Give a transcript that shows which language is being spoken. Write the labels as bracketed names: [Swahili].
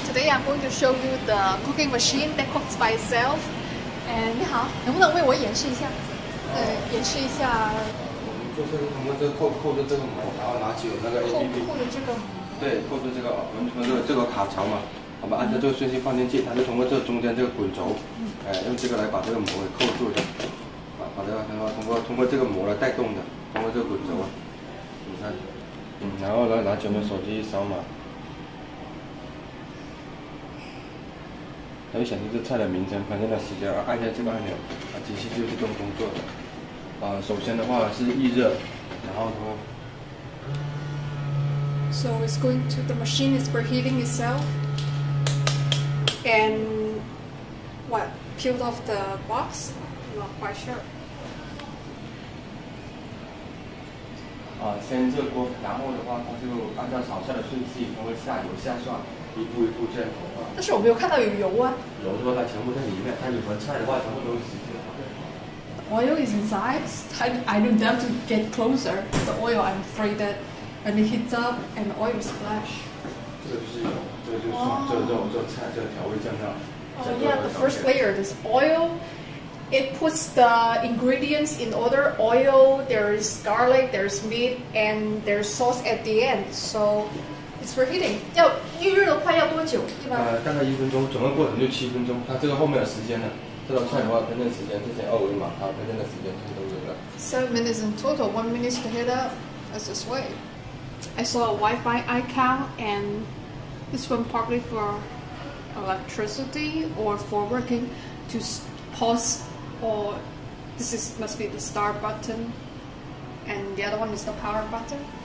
[English] I'm going to show you the cooking machine that cooks by itself. [Chinese] And 你好，能不能为我演示一下？演示一下。就是我们这个扣着这个膜，然后拿起有那个 APP。扣着这个膜。对，扣着这个，我们从这个卡槽嘛，我们按照这个顺序放进去，它是通过这中间这个滚轴，用这个来把这个膜给扣住的，把这个通过这个膜来带动的，通过这个滚轴啊，你看。然后呢，拿起我们手机一扫码，它就显示这菜的名称、烹饪的时间，按一下这个按钮，机器就自动工作的。首先的话是预热，然后呢 [English] ，So it's going to the machine is preheating itself, and what peeled off the box? I'm not quite sure. [Chinese] 先热锅，然后的话，它就按照炒菜的顺序，通过下油下蒜，一步一步这样投放。但是我没有看到有油啊。油的话，它全部在里面。它里面菜的话，全部都是直 [English] 接。Oil is inside. I don't dare to get closer. The oil, I'm afraid that when it heats up, and oil will splash. [Chinese] 这个就是油，这个就是蒜，这个菜，这个调味酱料。 [English] The first layer is oil. It puts the ingredients in order, oil, there's garlic, there's meat, and there's sauce at the end. So, it's preheating. [Chinese] 要预热的话要多久一般？大概一分钟，整个过程就七分钟。它这个后面的时间呢，这道菜的话烹饪时间之前二维码，它烹饪的时间全都有了。 [English] 7 minutes in total, 1 minute to heat up, that's this way. I saw a Wi-Fi icon, and this one probably for electricity or for working to pause. Or this is, must be the start button, and the other one is the power button.